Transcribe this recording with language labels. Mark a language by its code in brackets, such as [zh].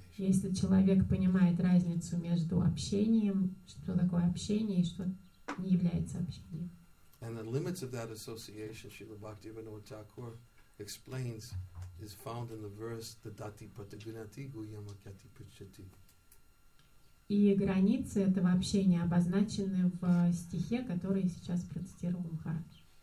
[ru] Если человек понимает разницу между общением, что такое общение и что не является общением. [en] And the limits of that association, Srila Bhakti Vinod Thakur explains, is found in the verse [sa] Dadati Pratigunati Guyama Kyati Pichati. [ru] И границы этого общения обозначены в стихе, который сейчас процитировал Махарадж.